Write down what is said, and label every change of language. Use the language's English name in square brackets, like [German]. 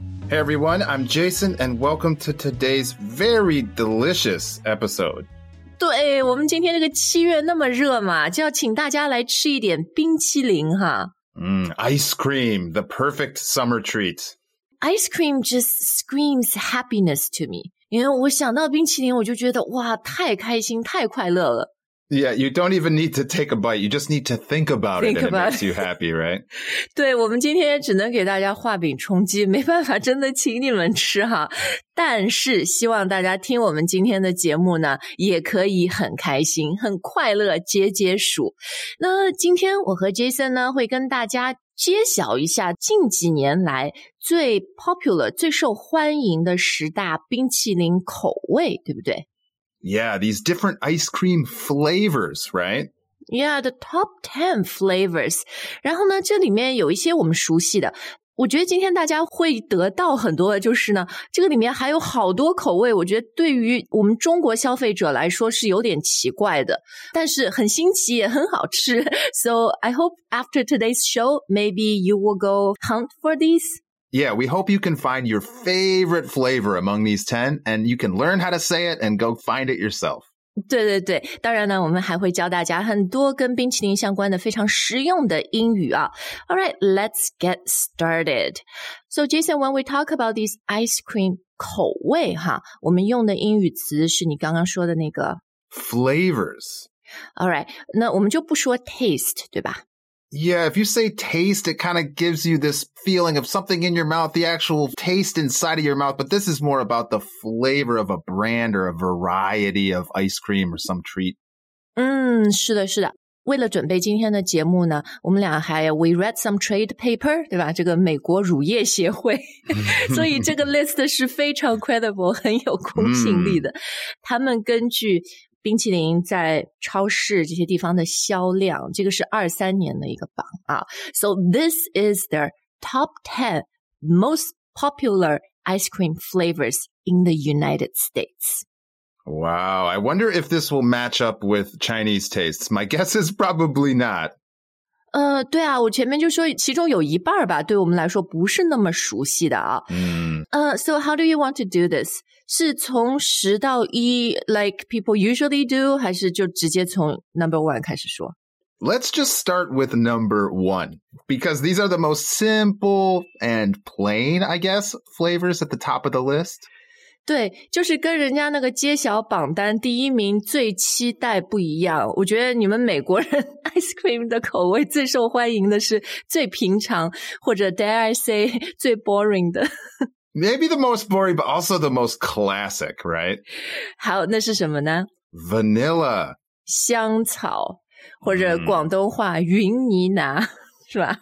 [English] Hey everyone, I'm Jason, and welcome to today's very delicious episode. [Chinese] 对，我们今天这个七月那么热嘛，就要请大家来吃一点冰淇淋哈。 [English] Ice cream, the perfect summer treat. Ice cream just screams happiness to me. [Chinese] 因为我想到冰淇淋，我就觉得哇，太开心，太快乐了。 [English] Yeah, you don't even need to take a bite. You just need to think about think it and about it makes you happy, right? [Chinese] 对，我们今天只能给大家画饼充饥，没办法真的请你们吃哈。但是希望大家听我们今天的节目呢，也可以很开心，很快乐，解解暑。那今天我和 Jason 呢，会跟大家揭晓一下近几年来最 popular, 最受欢迎的十大冰淇淋口味，对不对？ [English] Yeah, these different ice cream flavors, right? Yeah, the top 10 flavors. 然后呢，这里面有一些我们熟悉的。我觉得今天大家会得到很多的就是呢，这个里面还有好多口味，我觉得对于我们中国消费者来说是有点奇怪的，但是很新奇也很好吃。 So I hope after today's show, maybe you will go hunt for these. Yeah, we hope you can find your favorite flavor among these 10, and you can learn how to say it and go find it yourself. [Chinese] 对对对，当然呢，我们还会教大家很多跟冰淇淋相关的非常实用的英语啊。 [English] All right, let's get started. So Jason, when we talk about these ice cream [Chinese] 口味哈，我们用的英语词是你刚刚说的那个 [English] flavors. All right, [Chinese] 那我们就不说 taste, 对吧？ [English] Yeah, if you say taste, it kind of gives you this feeling of something in your mouth, the actual taste inside of your mouth. But this is more about the flavor of a brand or a variety of ice cream or some treat. [Chinese] 嗯，是的，是的。为了准备今天的节目呢，我们俩还 [English] we read some trade paper, [Chinese] 对吧？这个美国乳业协会，所以这个 list 是非常 credible, 很有公信力的。他们根据冰淇淋在超市这些地方的销量，这个是23年的一个榜啊。 [English] So this is their top 10 most popular ice cream flavors in the United States. Wow, I wonder if this will match up with Chinese tastes. My guess is probably not. [Chinese] 对啊，我前面就说其中有一半吧，对我们来说不是那么熟悉的啊。 [English] So how do you want to do this? [Chinese] 是从十到一 [English] like people usually do, [Chinese] 还是就直接从 number one 开始说? [English] Let's just start with number one, because these are the most simple and plain, I guess, flavors at the top of the list. [Chinese] 对，就是跟人家那个揭晓榜单第一名最期待不一样。我觉得你们美国人 ice cream 的口味最受欢迎的是最平常或者 [English] dare I say [Chinese] 最 boring 的。 [English] Maybe the most boring, but also the most classic, right? [Chinese] 好，那是什么呢? [English] Vanilla. [Chinese] 香草,或者广东话,云泥拿,是吧?